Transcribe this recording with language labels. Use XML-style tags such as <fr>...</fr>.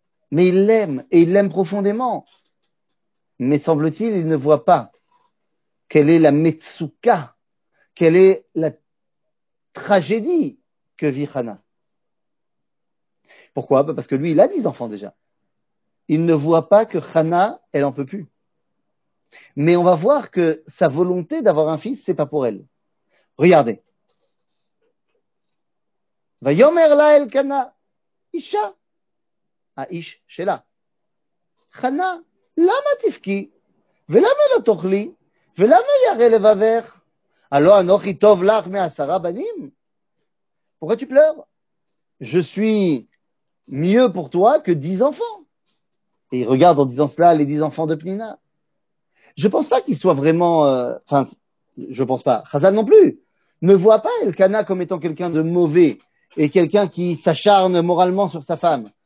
<fr>Mais il l'aime, et il l'aime profondément. Mais semble-t-il, il ne voit pas quelle est la metsuka, quelle est la tragédie que vit Hana. Pourquoi? Parce que lui, il a 10 enfants déjà. Il ne voit pas que Hana, elle n'en peut plus. Mais on va voir que sa volonté d'avoir un fils, ce n'est pas pour elle. Regardez.</fr> <he>ויאמר לה אלקנה, אישה, האיש שלה, חנה, למה תפקי? ולמה לא תאכלי? ולמה ירא לבבך? הלא אנוכי טוב לך מעשרה בנים?</he> <fr>Pourquoi tu pleures? Je suis mieux pour toi que 10 enfants. Et il regarde en disant cela les 10 enfants de Pnina. Je ne pense pas qu'il soit vraiment... je ne pense pas. Chazal non plus ne voit pas Elkana comme étant quelqu'un de mauvais et quelqu'un qui s'acharne moralement sur sa femme.</fr>